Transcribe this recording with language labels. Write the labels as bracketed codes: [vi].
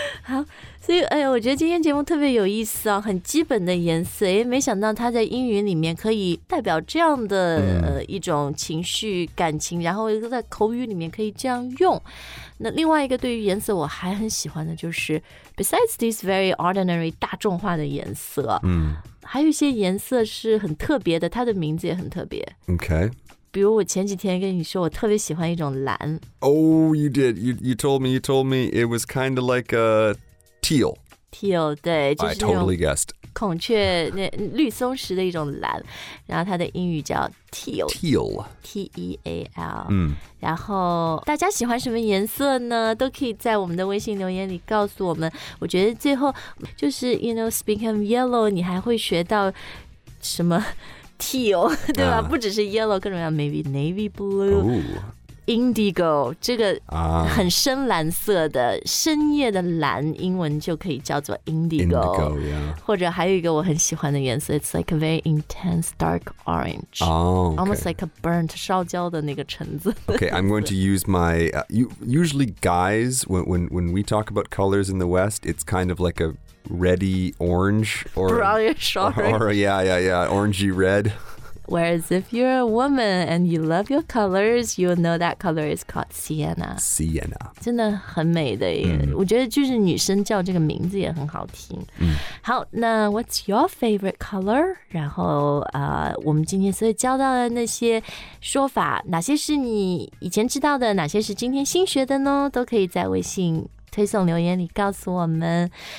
[zh] 好，所以哎呦，我觉得今天节目特别有意思哦，很基本的颜色，哎，没想到它在英语里面可以代表这样的一种情绪感情，然后在口语里面可以这样用。那另外一个对于颜色我还很喜欢的就是 [en] besides this very ordinary [zh] 大众化的颜色，还有一些颜色是很特别的，它的名字也很特别。 [en] OK， [zh] 比如我前几天跟你说我特别喜欢一种蓝。 [en] Oh, you did. You told me it was kind of like a teal. [zh] Teal, 对，就是那 [en] 种 I totally guessed. [zh] 孔雀那绿松石的一种蓝，然后它的英语叫 teal. [en] Teal. T-E-A-L. [zh] 然后大家喜欢什么颜色呢？都可以在我们的微信留言里告诉我们。我觉得最后就是 [en] you know, speaking of yellow, [zh] 你还会学到什么Teal, 对吧？不只是 yellow, 各种样 maybe navy blue, indigo, 这个很深蓝色的深夜的蓝，英文就可以叫做 indigo, [en] yeah. [zh] 或者还有一个我很喜欢的颜色 [en] it's like a very intense dark orange, oh, okay. almost like a burnt, [zh] 烧焦的那个橙子。 [en] Okay, I'm going to use my, usually guys, when we talk about colors in the West, it's kind of like a,Reddy orange or brownish orange, or orangey red. Whereas if you're a woman and you love your colors, you'll know that color is called sienna. Sienna, [zh] 真的很美的耶。我觉得就是女生叫这个名字也很好听。好，那 [en] what's your favorite color? [zh] 然后我们今天所教到的那些说法，哪些是你以前知道的，哪些是今天新学的呢？都可以在微信推送留言里告诉我们。